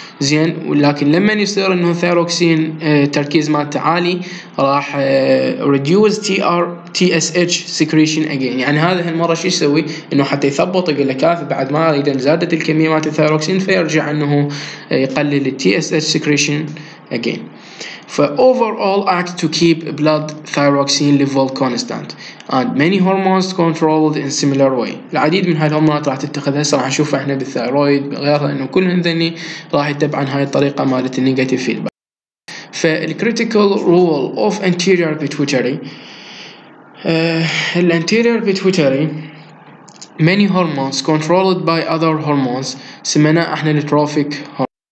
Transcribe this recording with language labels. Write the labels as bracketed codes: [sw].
[ar] زين ولكن لما يصير انه ثايروكسين تركيز مالته عالي راح [en] reduce T R T S H secretion again, [ar] يعني هذا هالمره شو يسوي؟ انه حتى يثبط يقول لك كافي بعد ما اذا زادت الكميه مالت الثايروكسين فيرجع انه يقلل التي اس اتش سكريشن اجين. [en] ف overall act to keep blood thyroxine level constant and many hormones controlled in similar way. [ar] العديد من هاي الهرمونات راح تتخذها هسه راح نشوفها احنا بالثايرويد غيرها، انه كل هذني راح يتبعن هاي الطريقه مالت النيجاتيف فيدباك. [en] فالcritical role of anterior pituitary الانتيرير pituitary many hormones controlled by other hormones [ar] سمينا احنا التروفيك هرمونز.